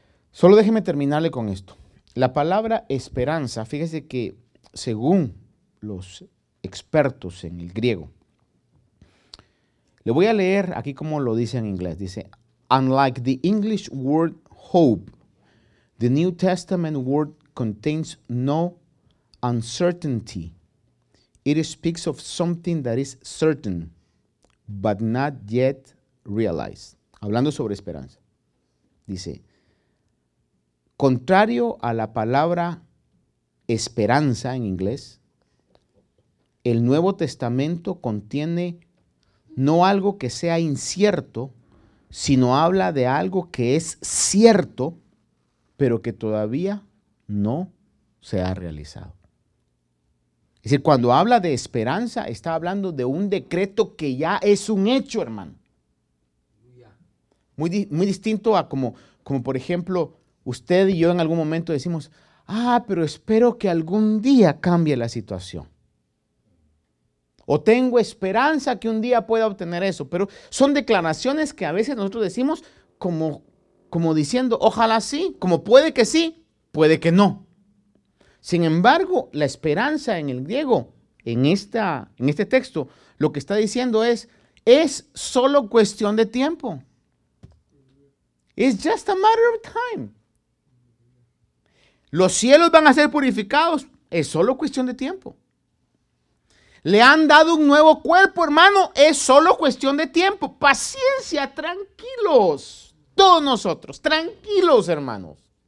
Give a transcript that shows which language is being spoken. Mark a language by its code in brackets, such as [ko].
[es] Solo déjeme terminarle con esto. La palabra esperanza, fíjese que según los expertos en el griego, le voy a leer aquí como lo dice en inglés, dice, [en] unlike the English word hope, the New Testament word contains no uncertainty. It speaks of something that is certain, but not yet realized. [es] Hablando sobre esperanza. Dice, contrario a la palabra esperanza en inglés, el Nuevo Testamento contiene no algo que sea incierto, sino habla de algo que es cierto, pero que todavía no se ha realizado. Es decir, cuando habla de esperanza, está hablando de un decreto que ya es un hecho, hermano. Muy, muy distinto a como, por ejemplo, usted y yo en algún momento decimos, ah, pero espero que algún día cambie la situación. O tengo esperanza que un día pueda obtener eso. Pero son declaraciones que a veces nosotros decimos como diciendo, ojalá sí, como puede que sí, puede que no. Sin embargo, la esperanza en el griego, en este texto, lo que está diciendo es solo cuestión de tiempo. [en] It's just a matter of time. [es] Los cielos van a ser purificados, es solo cuestión de tiempo. Le han dado un nuevo cuerpo, hermano, es solo cuestión de tiempo. Paciencia, tranquilos, todos nosotros, tranquilos, hermanos.